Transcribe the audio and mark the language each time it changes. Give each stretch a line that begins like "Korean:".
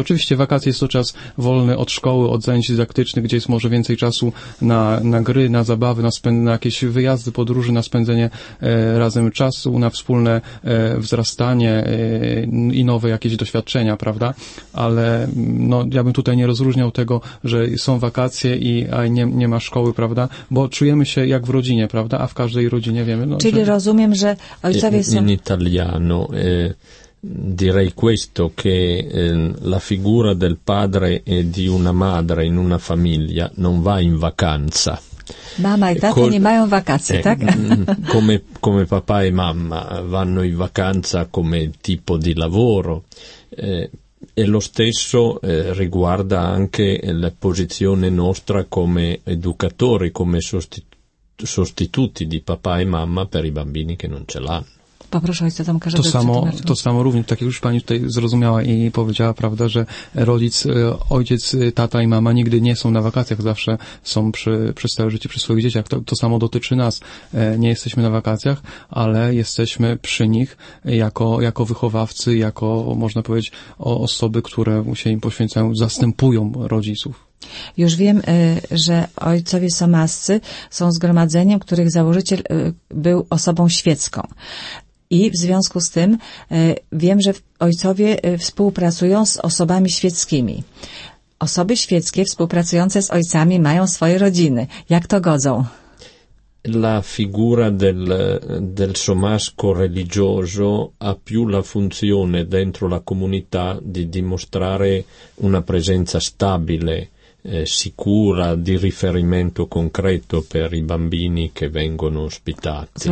Polish: Oczywiście wakacje jest to czas wolny od szkoły, od zajęć dydaktycznych, gdzie jest może więcej czasu na gry, na zabawy, na jakieś wyjazdy, podróże, na spędzenie razem czasu, na wspólne wzrastanie i nowe jakieś doświadczenia, prawda? Ale no, ja bym tutaj nie rozróżniał tego, że są wakacje a nie ma szkoły, prawda? Bo czujemy się jak w rodzinie, prawda? A w każdej rodzinie wiemy. No, czyli że... rozumiem, że ojcowie są...
Italian: In italiano direi questo, che la figura del padre e di una madre in una famiglia non va in vacanza. Mamma e tata non hanno vacanze, tak? Come papà e mamma vanno in vacanza come tipo di lavoro. E lo stesso riguarda anche la posizione nostra come educatori, come sostituti di papà e mamma per i bambini che non ce l'hanno.
Polish: Poproszę ojca Tomka, żeby to samo również, tak jak już pani tutaj zrozumiała i powiedziała, prawda, że ojciec, tata i mama nigdy nie są na wakacjach, zawsze są przez całe życie przy swoich dzieciach. To samo dotyczy nas. Nie jesteśmy na wakacjach, ale jesteśmy przy nich jako wychowawcy, jako, można powiedzieć, osoby, które się im poświęcają, zastępują rodziców. Już wiem, że ojcowie somascy są zgromadzeniem, których założyciel był osobą świecką. I w związku z tym wiem, że ojcowie współpracują z osobami świeckimi. Osoby świeckie współpracujące z ojcami mają swoje rodziny. Jak to godzą?
Italian: La figura del somasco religioso ha più la funzione dentro la comunità di dimostrare una presenza stabile, sicura, di riferimento concreto per i bambini che vengono ospitati.